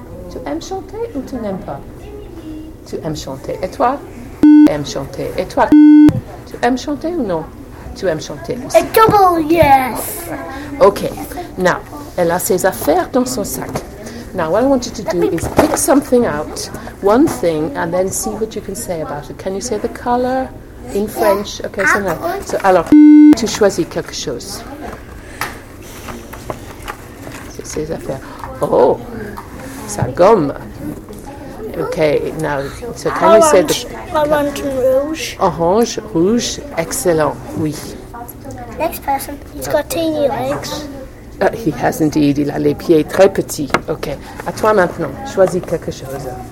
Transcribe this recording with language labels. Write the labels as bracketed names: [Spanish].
[French] Tu aimes chanter ou tu n'aimes pas? Tu aimes chanter. Et toi? Tu aimes chanter. Et toi? Tu aimes chanter ou non? Tu aimes chanter aussi. [English] A double yes. Ok. [French] Now, elle a ses affaires dans son sac. [English] Now, what I want you to do is pick something out, one thing, and then see what you can say about it. Can you say the color in French? Ok, so now. [French] So, alors, tu choisis quelque chose. C'est ses affaires. Oh! Sa gomme. [English] Okay, now, so can orange. You say the... [French] Orange, rouge. Orange, rouge, excellent, oui. [English] Next person, he's got teeny legs. He has indeed, [French] il a les pieds très petits. Okay, à toi maintenant, choisis quelque chose.